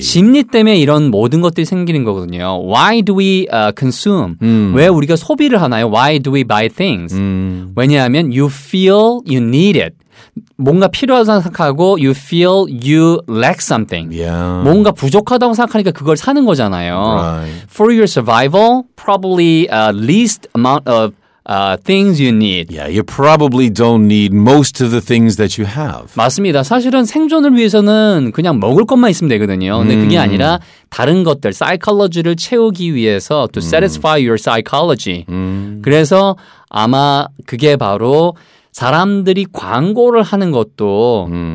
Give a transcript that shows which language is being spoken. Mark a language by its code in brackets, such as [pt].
[ko] 심리 때문에 이런 모든 것들이 생기는 거거든요. [en] Why do we consume? [ko] 왜 우리가 소비를 하나요? [en] Why do we buy things? [ko] 왜냐하면 [en] you feel you need it. [ko] 뭔가 필요하다고 생각하고 [en] you feel you lack something. Yeah. [ko] 뭔가 부족하다고 생각하니까 그걸 사는 거잖아요. [en] Right. For your survival, probably least amount of things you need. Yeah, you probably don't need most of the things that you have. [ko] 맞습니다. 사실은 생존을 위해서는 그냥 먹을 것만 있으면 되거든요. 근데 그게 아니라 다른 것들, psychology를 채우기 위해서 [en] to satisfy your psychology. [ko] 그래서 아마 그게 바로 사람들이 광고를 하는 것도